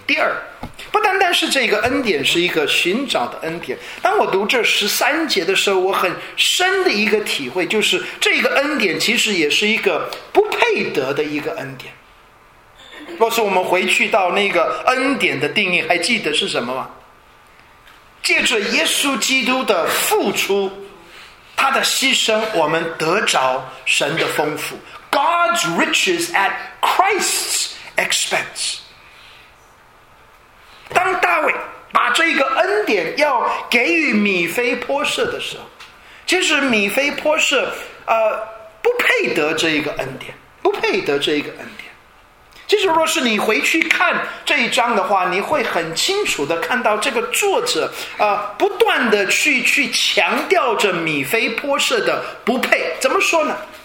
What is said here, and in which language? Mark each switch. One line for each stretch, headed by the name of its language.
Chinese: 第二，不单单是这个恩典是一个寻找的恩典，当我读这十三节的时候，我很深的一个体会，就是这个恩典其实也是一个不配得的一个恩典。若是我们回去到那个恩典的定义，还记得是什么吗？借着耶稣基督的付出，他的牺牲，我们得着神的丰富。
English: God's riches at Christ's expense.
Chinese: 当大卫把这个恩典要给予米非波设的时候，其实米非波设不配得这一个恩典，不配得这一个恩典。其实若是你回去看这一章的话，你会很清楚的看到这个作者不断的去强调着米非波设的不配。怎么说呢？